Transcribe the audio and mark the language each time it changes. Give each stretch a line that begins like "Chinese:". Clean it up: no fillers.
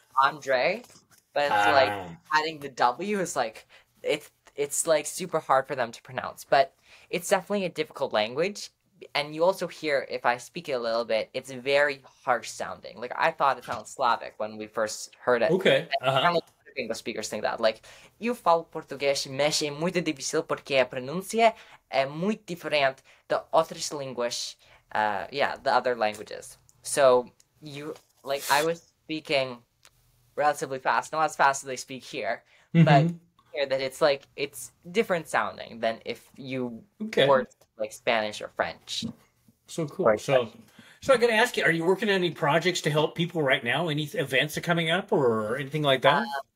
English: Andre, but it's like adding the W is like it's like super hard for them to pronounce. But it's definitely a difficult language, and you also hear if I speak it a little bit, it's very harsh sounding. Like I thought it sounded Slavic when we first heard it. English speakers think that.
Portuguese: Like, eu falo português, mas é muito difícil porque a pronúncia é muito diferente de outras línguas,
English: the other languages. So, I was speaking relatively fast, not as fast as they speak here, but hear that it's like it's different sounding than if you were like Spanish or French So or cool. Italian. So I gotta ask you, are you working on any projects to help people right now? Any events are coming up or anything like that?